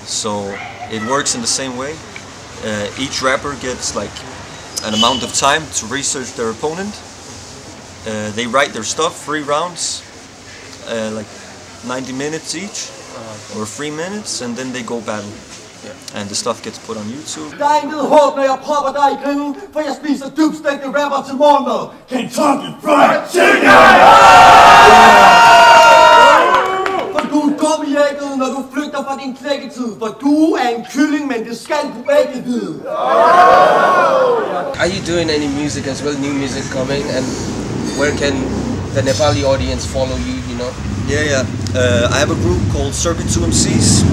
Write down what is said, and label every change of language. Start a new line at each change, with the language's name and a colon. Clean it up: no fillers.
English: So it works in the same way. Each rapper gets like an amount of time to research their opponent. They write their stuff, three rounds, like 90 minutes each. or 3 minutes, and then they go battle. Yeah. And the stuff gets put on YouTube.
Danish: Der er intet håb, når jeg popper dig i grillen, for jeg spiser dybstegte rapper til morgenmad.
English: Kentucky Fried Chicken!
Danish: For du er dum i ægget, når du flygter fra din klækketid. For du er en kylling, men det skal du ikke vide.
English: Are you doing any music as well? New music coming? And where can the Nepali audience follow you, you know? Yeah. I have a group called Circuit 2 MCs.